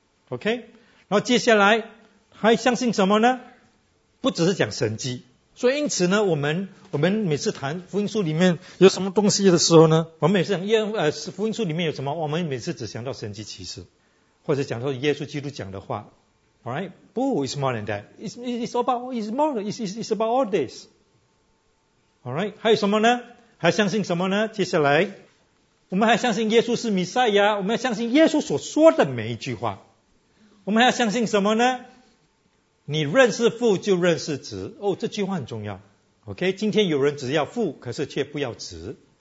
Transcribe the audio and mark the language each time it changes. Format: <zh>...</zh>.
<en>OK，</en> <zh>然后接下来还相信什么呢？不只是讲神迹。所以因此呢，我们每次谈福音书里面有什么东西的时候呢，我们每次讲福音书里面有什么，我们每次只想到神迹奇事，或者讲到耶稣基督讲的话。</zh> <en>Alright，</en> <zh>不，</zh> <en>it's more than that， it's about all this。 Alright，</en> <zh>还有什么呢？还相信什么呢？接下来我们还相信耶稣是弥赛亚，我们要相信耶稣所说的每一句话。我们还要相信什么呢？你认识父就认识子。哦，这句话很重要。</zh> <en>OK，</en> <zh>今天有人只要父可是却不要子。</zh>